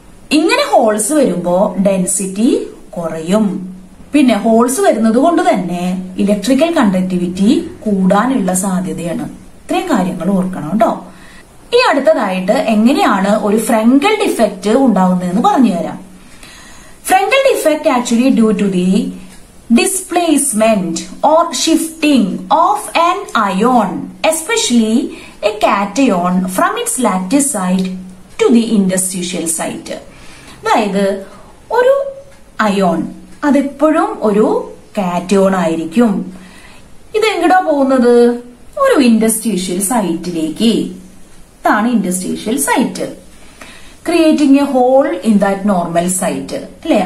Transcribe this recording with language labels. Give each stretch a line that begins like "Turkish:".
Malayalam: ഇങ്ങനെ ഹോൾസ് വരുമ്പോ ഡെൻസിറ്റി കുറയും, പിന്നെ ഹോൾസ് വരുന്നത് കൊണ്ട് തന്നെ ഇലക്ട്രിക്കൽ കണ്ടക്ടിവിറ്റി കൂടാനുള്ള സാധ്യതയാണ്. ഇത്രയും കാര്യങ്ങൾ ഓർക്കണം കേട്ടോ. ഇനി അടുത്തതായിട്ട് എങ്ങനെയാണ് ഒരു ഫ്രെങ്കൽ ഡിഫക്റ്റ് ഉണ്ടാവുന്നതെന്ന് പറഞ്ഞു തരാം.
English: Frenkel defect actually due to the displacement or shifting of an ion, especially a cation, from its lattice site to the interstitial site.
Malayalam: അതായത് ഒരു അയോൺ, അതെപ്പോഴും ഒരു കാറ്റിയോൺ ആയിരിക്കും. ഇതെങ്ങടോ പോകുന്നത്? ഒരു ഇൻഡസ്ട്രീഷ്യൽ സൈറ്റിലേക്ക്. ഇതാണ് ഇൻഡസ്ട്രീഷ്യൽ site,
English: creating a hole in that normal site
Malayalam: അല്ലെ.